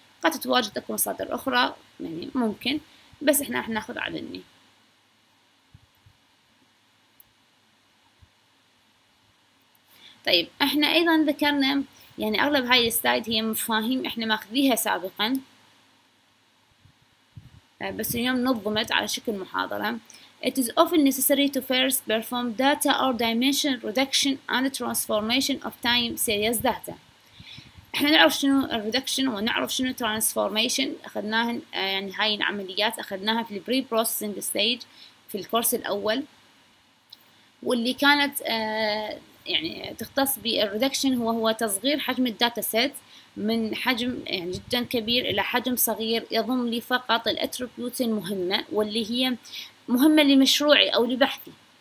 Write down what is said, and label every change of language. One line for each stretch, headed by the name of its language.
Arabic: قد تتواجد أكو مصادر أخرى يعني ممكن، بس إحنا راح نأخذ على إني طيب. إحنا أيضا ذكرنا يعني أغلب هاي السلايد هي مفاهيم إحنا ماخذيها سابقا، بس اليوم نظمت على شكل محاضرة.
English: It is often necessary to first perform data or dimension reduction and transformation of time series data.
Arabic: إحنا نعرف شنو reduction ونعرف شنو transformation، أخذناها يعني هاي العمليات أخذناها في
English: pre-processing stage
Arabic: في الكورس الأول، واللي كانت يعني تختص بالريدكشن هو تصغير حجم الداتا سيت من حجم يعني جدا كبير الى حجم صغير يضم لي فقط الاتريبيوت المهمه واللي هي مهمه لمشروعي او لبحثي.